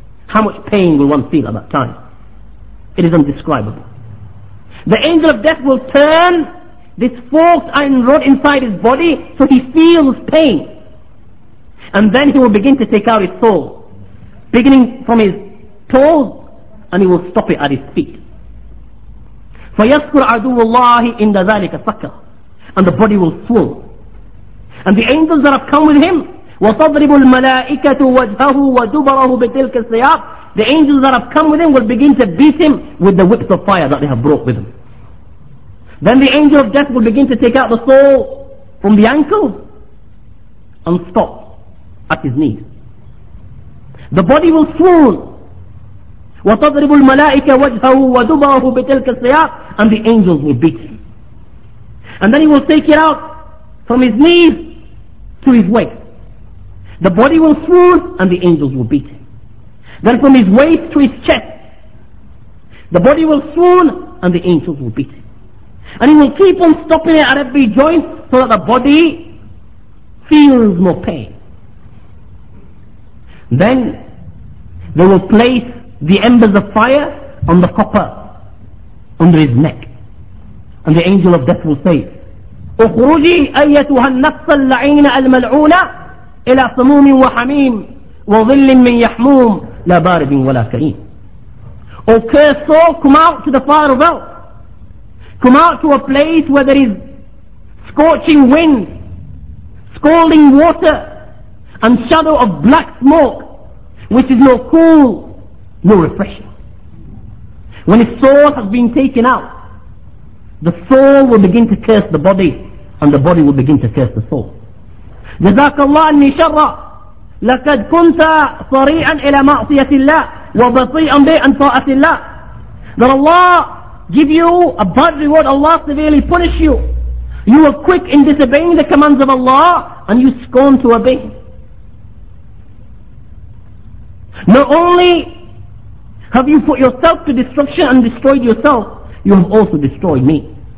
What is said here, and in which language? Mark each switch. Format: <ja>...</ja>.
<en>How much pain will one feel at that time? It is indescribable. The angel of death will turn this forked iron rod inside his body so he feels pain. And then he will begin to take out his soul, beginning from his toes, and he will stop it at his feet.</en> <ar>فَيَذْكُرْ عَدُوُ اللَّهِ إِنْدَ ذَلِكَ سَكَرَ,</ar> <en>and the body will swell and the angels that have come with him.</en> <ar>وَتَضْرِبُ الْمَلَائِكَةُ وَجْهَهُ وَدُبَرَهُ بِتِلْكَ السِّيَابِ.</ar> <en>The angels that have come with him will begin to beat him with the whips of fire that they have brought with them. Then the angel of death will begin to take out the soul from the ankle and stop at his knees. The body will swoon.</en> <ar>وَتَضْرِبُ الْمَلَائِكَ وَجْهَهُ وَدُبَرَهُ بِتِلْكَ السِّيَابِ.</ar> <en>And the angels will beat him. And then he will take it out from his knees to his waist. The body will swoon and the angels will beat him. Then from his waist to his chest, the body will swoon and the angels will beat him. And he will keep on stopping it at every joint so that the body feels no pain. Then they will place the embers of fire on the copper under his neck. And the angel of death will say,</en> <ar>أخرجي أيتها النفس اللعينة الملعونة إلى صموم وحميم وظل من يحموم لا بارد ولا كريم.</ar> <en>O cursed soul, come out to the fire of hell. Come out to a place where there is scorching wind, scalding water, and shadow of black smoke, which is no cool, no refreshing. When his soul has been taken out, the soul will begin to curse the body, and the body will begin to curse the soul.</en> <ar>جزاك الله عني شرا لقد كنت صريعا إلى معصية الله وبطيئا بطاعة الله.</ar> <en>That Allah give you a bad reward, Allah severely punish you. You were quick in disobeying the commands of Allah and you scorn to obey. Not only have you put yourself to destruction and destroyed yourself, you have also destroyed me.</en>